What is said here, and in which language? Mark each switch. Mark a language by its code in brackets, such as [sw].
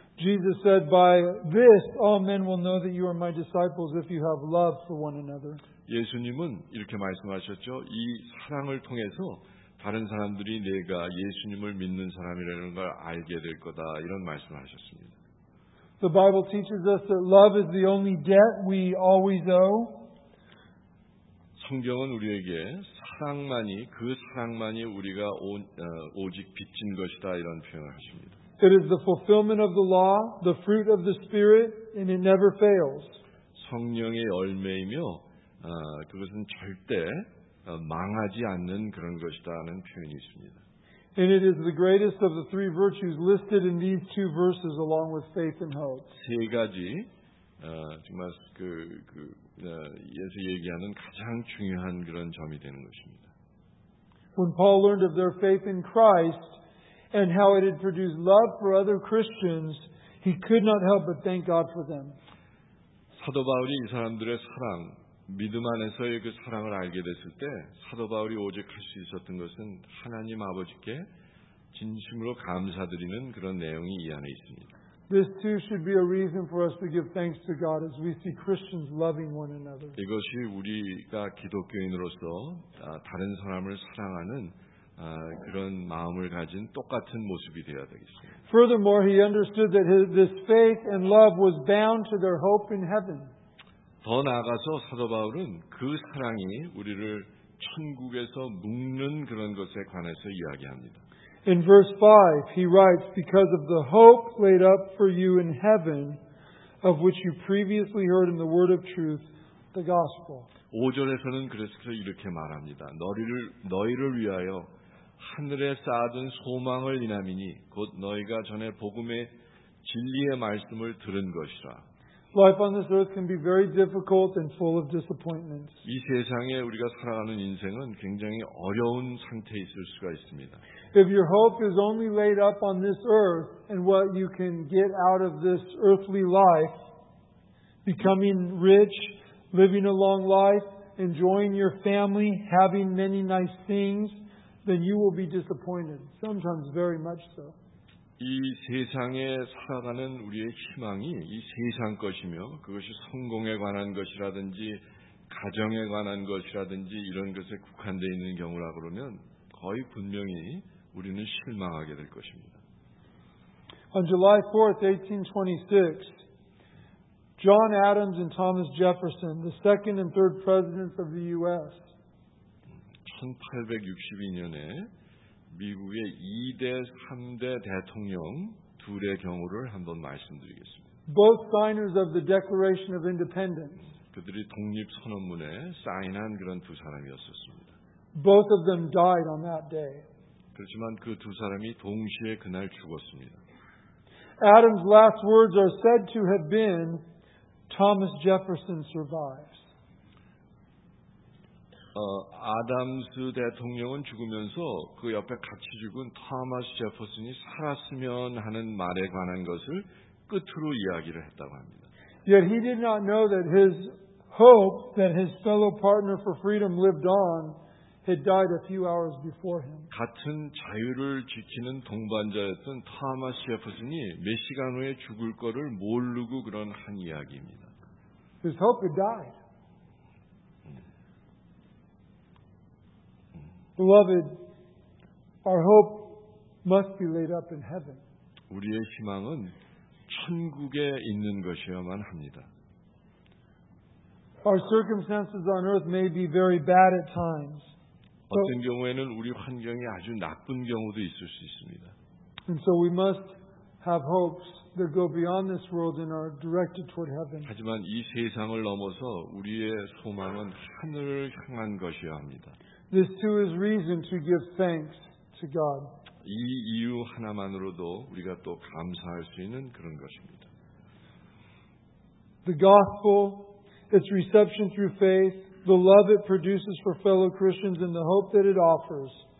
[en] Jesus said, "By this all men will know that you are my disciples if you have love for one another." [ko] 예수님은 이렇게 말씀하셨죠. 이 사랑을 통해서 다른 사람들이 내가 예수님을 믿는 사람이라는 걸 알게 될 거다 이런 말씀을 하셨습니다. [en] The Bible teaches us that love is the only debt we always owe. [ko] 성경은 우리에게 사랑만이 그 사랑만이 우리가 오직 빚진 것이다 이런 표현을 하십니다. [en] It is the fulfillment of the law, the fruit of the Spirit, and it never fails. [ko] 성령의 열매이며 그것은 절대 망하지 않는 그런 것이다 하는 표현이 있습니다. [en] And it is the greatest of the three virtues listed in these two verses along with faith and hope. [ko] 세 가지 정말 예수 얘기하는 가장 중요한 그런 점이 되는 것입니다. [en] When Paul learned of their faith in Christ and how it had produced love for other Christians, he could not help but thank God for them. [ko] 사도 바울이 이 사람들의 사랑 믿음 안에서의 그 사랑을 알게 됐을 때 사도 바울이 오직 할 수 있었던 것은 하나님 아버지께 진심으로 감사드리는 그런 내용이 이 안에 있습니다. [en] This too should be a reason for us to give thanks to God as we see Christians loving one another. [ko] 이것이 우리가 기독교인으로서 다른 사람을 사랑하는 그런 마음을 가진 똑같은 모습이 되어야 되겠습니다. [en] Furthermore, he understood that this faith and love was bound to their hope in heaven. [ko] 더 나아가서 사도 바울은 그 사랑이 우리를 천국에서 묶는 그런 것에 관해서 이야기합니다. [en] In verse 5, he writes, "Because of the hope laid up for you in heaven, of which you previously heard in the word of truth, the gospel." [ko] 5절에서는 그래서 이렇게 말합니다. 너희를 위하여 하늘에 쌓아둔 소망을 인함이니 곧 너희가 전에 복음의 진리의 말씀을 들은 것이라. [en] Life on this earth can be very difficult and full of disappointments. [ko] 이 세상에 우리가 살아가는 인생은 굉장히 어려운 상태에 있을 수가 있습니다. [en] If your hope is only laid up on this earth and what you can get out of this earthly life, becoming rich, living a long life, enjoying your family, having many nice things, then you will be disappointed. Sometimes very much so. [ko] 이 세상에 살아가는 우리의 희망이 이 세상 것이며 그것이 성공에 관한 것이라든지 가정에 관한 것이라든지 이런 것에 국한되어 있는 경우라 그러면 거의 분명히 우리는 실망하게 될 것입니다. [en] On July 4th, 1826, John Adams and Thomas Jefferson, the second and third presidents of the U.S. [ko] 1862년에 미국의 2대, 3대 대통령 둘의 경우를 한번 말씀드리겠습니다. [en] Both signers of the Declaration of Independence. [ko] 그들이 독립 선언문에 사인한 그런 두 사람이었었습니다. [en] Both of them died on that day. [ko] 그렇지만 그 두 사람이 동시에 그날 죽었습니다. [en] Adams' last words are said to have been, "Thomas Jefferson survives." [ko] 아담스 대통령은 죽으면서 그 옆에 같이 죽은 토마스 제퍼슨이 살았으면 하는 말에 관한 것을 끝으로 이야기를 했다고 합니다. [en] Yet he did not know that his hope that his fellow partner for freedom lived on had died a few hours before him. [ko] 같은 자유를 지키는 동반자였던 토마스 제퍼슨이 몇 시간 후에 죽을 거를 모르고 그런 한 이야기입니다. [en] His hope had died. Beloved, our hope must be laid up in heaven. [ko] 우리의 희망은 천국에 있는 것이어야만 합니다. [en] Our circumstances on earth may be very bad at times. [ko] 어떤 경우에는 우리 환경이 아주 나쁜 경우도 있을 수 있습니다. [en] And so we must have hopes that go beyond this world and are directed toward heaven. [ko] 하지만 이 세상을 넘어서 우리의 소망은 하늘을 향한 것이어야 합니다. [en] This too is reason to give thanks to God. [ko] 이 이유 하나만으로도 우리가 또 감사할 수 있는 그런 것입니다. [en] The gospel, its reception through faith, the love it produces for fellow Christians and the hope that it offers.